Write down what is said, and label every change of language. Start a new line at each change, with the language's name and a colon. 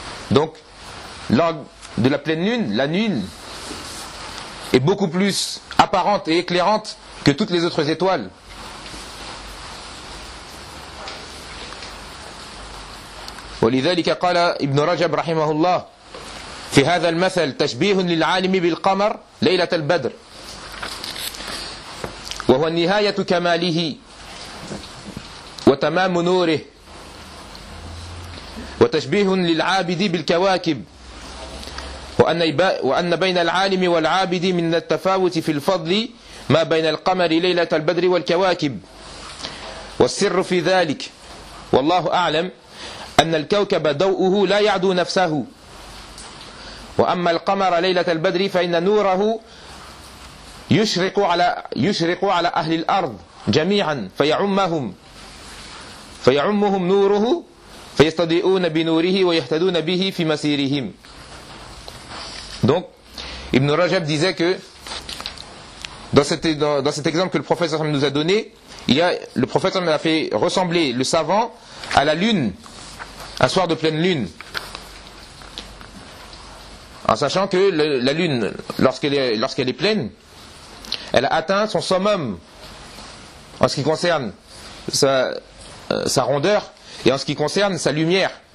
French: Donc lors de la pleine lune, la lune est beaucoup plus apparente et éclairante que toutes les autres étoiles.
Arabic: ولذلك قال ابن رجب رحمه الله في هذا المثل تشبيه للعالم بالقمر ليلة البدر وهو نهاية كماله وتمام نوره وتشبيه للعابد بالكواكب وأن بين العالم والعابد من التفاوت في الفضل ما بين القمر ليلة البدر والكواكب والسر في ذلك والله أعلم أن الكوكب ضوءه لا يعدو نفسه وأما القمر ليلة البدر فإن نوره يشرق على أهل الأرض جميعا فيعمهم نوره فيستضيئون بنوره ويهتدون به في مسيرهم.
French: Donc Ibn Rajab disait que dans cet exemple que le prophète nous a donné, le prophète a fait ressembler le savant à la lune un soir de pleine lune, en sachant que la lune, lorsqu'elle est pleine, elle a atteint son summum en ce qui concerne sa rondeur et en ce qui concerne sa lumière.